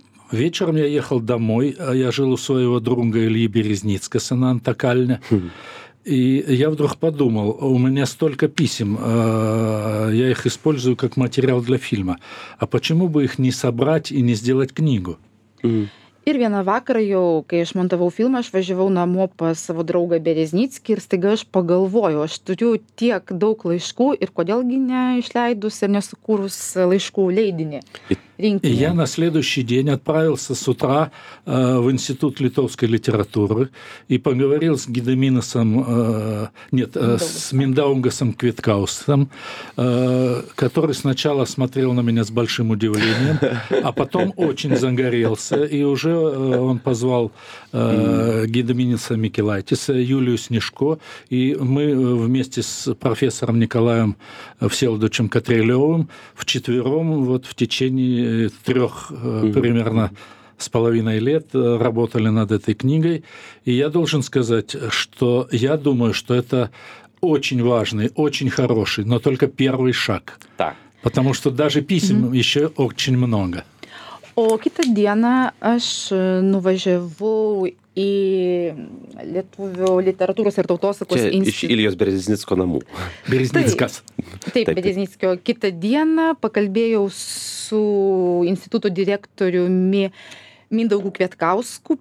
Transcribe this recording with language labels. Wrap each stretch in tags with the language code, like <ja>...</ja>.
<ru>Вечером я ехал домой, я жил у своего друга Ильи Березницкаса на Антакальне, и я вдруг подумал, у меня столько писем, я их использую как материал для фильма, а почему бы их не собрать и не сделать книгу?</ru> <lt>Ir vieną vakarą jau, kai aš montavau filmą, aš važiavau namo pas savo draugą Bereznickį ir staiga aš pagalvojau, aš turiu tiek daug laiškų ir kodėlgi neišleidus ir nesukūrus laiškų leidinį rinkinį.</lt> <ru>Я на следующий день отправился с утра в Институт литовской литературы и поговорил с Гедиминасом, с Миндаунгасом Квиткаусом, который сначала смотрел на меня с большим удивлением, а потом очень загорелся и уже он позвал Гедиминаса Микелайтиса, Юлию Снежко, и мы вместе с профессором Николаем Всеволодовичем Катрилевым вчетвером вот в течение трех примерно с половиной лет работали над этой книгой. И я должен сказать, что я думаю, что это очень важный, очень хороший, но только первый шаг. Да. Потому что даже писем еще очень много.</ru> <lt>O kitą dieną aš nuvažiavau į Lietuvių literatūros ir tautosakos institutą. Čia iš Ilijos Bereznicko namų. Bereznickas. Taip, Bereznickio. Kitą dieną pakalbėjau su instituto direktoriumi Mindaugu Kvietkausku.</lt>